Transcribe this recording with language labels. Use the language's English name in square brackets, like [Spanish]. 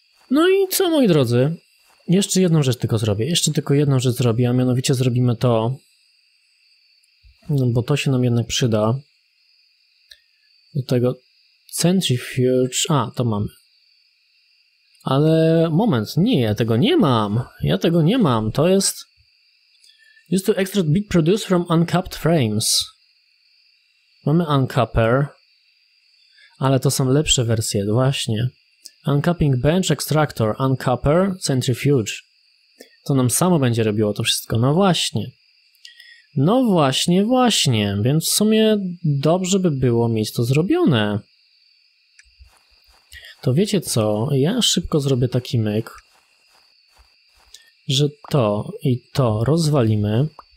[Polish] No i co, moi drodzy? Jeszcze jedną rzecz tylko zrobię, a mianowicie zrobimy to, no bo to się nam jednak przyda, do tego centrifuge, a to mamy, ale moment, nie, ja tego nie mam, to jest, [English] used to extract bead produced from uncapped frames, [Polish] mamy uncapper, ale to są lepsze wersje, właśnie. [English] Uncapping bench, extractor, uncapper, centrifuge. [Polish] To nam samo będzie robiło to wszystko. No właśnie. No właśnie, właśnie. Więc w sumie dobrze by było mieć to zrobione. To wiecie co? Ja szybko zrobię taki myk, że to i to rozwalimy.